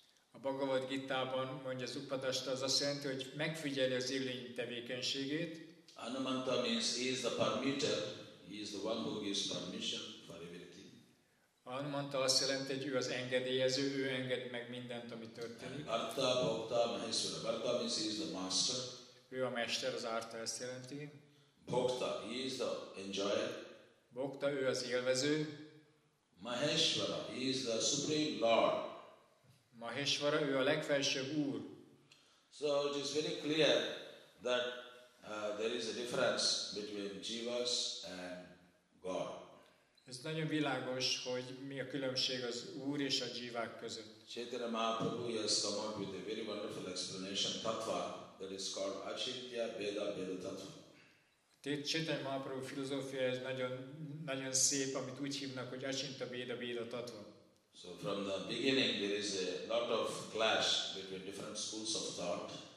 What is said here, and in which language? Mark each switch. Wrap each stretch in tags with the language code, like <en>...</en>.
<hu>A Bhagavad Gita-ban mondja az upadrashta, az azt jelenti, hogy megfigyeli az élőlény tevékenységét.</hu> <en>Anumanta means he is the permitter, he is the one who gives permission for everything.</en> <hu>Mondta, azt jelenti, hogy ő az engedélyező, ő enged meg mindent, ami történik.</hu> <en>Artha, bhokta, mahesvara. Artha means he is the master.</en> <hu>Ő a mester, az artha ezt jelenti.</hu> <en>Bhokta, he is the enjoyer.</en> <hu>Bhokta, ő az élvező.</hu> <en>Maheshvara, he is the supreme lord.</en> <hu>Maheshvara, ő a legfelsőbb úr.</hu> <en>So it is very clear that there is a difference between jivas and God.</en> <hu>Ez nagyon világos, hogy mi a különbség az Úr és a dzsívák között.</hu> <en>Chaitanya Mahaprabhu has come up with a very wonderful explanation, tattva, that is called Achintya Veda Veda Tattva.</en> <hu>Chaitanya Mahaprabhu filozófia ez nagyon, nagyon szép, amit úgy hívnak, hogy Achintya Veda Veda Tattva.</hu> <en>So from the beginning there is a lot of clash between different schools of thought.</en>